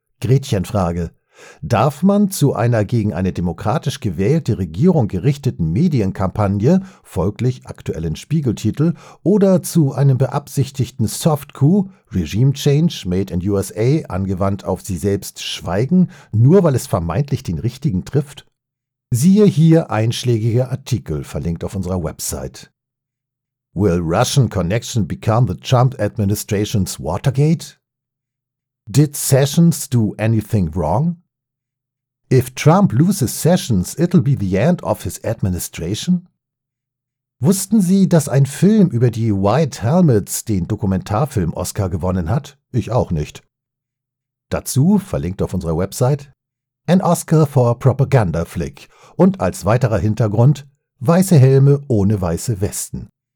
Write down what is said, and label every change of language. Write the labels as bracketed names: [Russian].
[German] Gretchenfrage: Darf man zu einer gegen eine demokratisch gewählte Regierung gerichteten Medienkampagne, folglich aktuellen Spiegeltitel, oder zu einem beabsichtigten Soft-Coup, [English] Regime Change made in USA, [German] angewandt auf sie selbst, schweigen, nur weil es vermeintlich den richtigen trifft? Siehe hier einschlägige Artikel, verlinkt auf unserer Website. [English] Will Russian Connection become the Trump Administration's Watergate? Did Sessions do anything wrong? If Trump loses Sessions, it'll be the end of his administration? [German] Wussten Sie, dass ein Film über die White Helmets den Dokumentarfilm-Oscar gewonnen hat? Ich auch nicht. Dazu, verlinkt auf unserer Website, [English] an Oscar for a propaganda flick [German] und als weiterer Hintergrund, weiße Helme ohne weiße Westen.